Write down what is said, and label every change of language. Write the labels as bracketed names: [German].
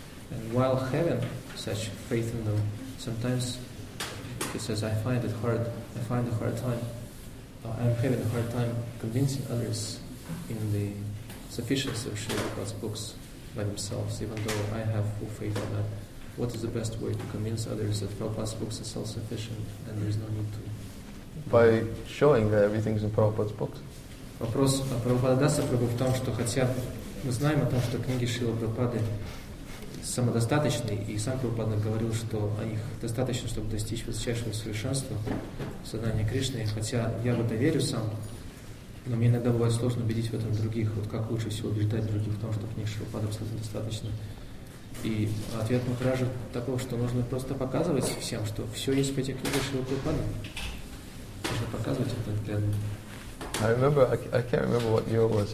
[English] And while having such faith in them, sometimes he says, I find a hard time, I'm having a hard time convincing others in the sufficiency of Srila Prabhupada's books by themselves, even though I have full faith in that. What is the best way to convince others that Prabhupada's books are self-sufficient and there is no need to? By showing that everything is in Prabhupada's books. [Russian] Вопрос о Прабхупаде Даса Прабху в том, что хотя мы знаем о том, что книги Шрилы Прабхупады самодостаточны, и сам Прабхупада говорил, что о них достаточно, чтобы достичь высочайшего совершенства сознания Кришны, хотя я в это верю сам, но мне иногда бывает сложно убедить в этом других, вот как лучше всего убеждать других в том, что книги Шрилы Прабхупады абсолютно достаточно. И ответ Махараджа такой, что нужно просто показывать всем, что все есть в этих книгах Шрилы Прабхупады. [English] I remember, I can't remember what year it was.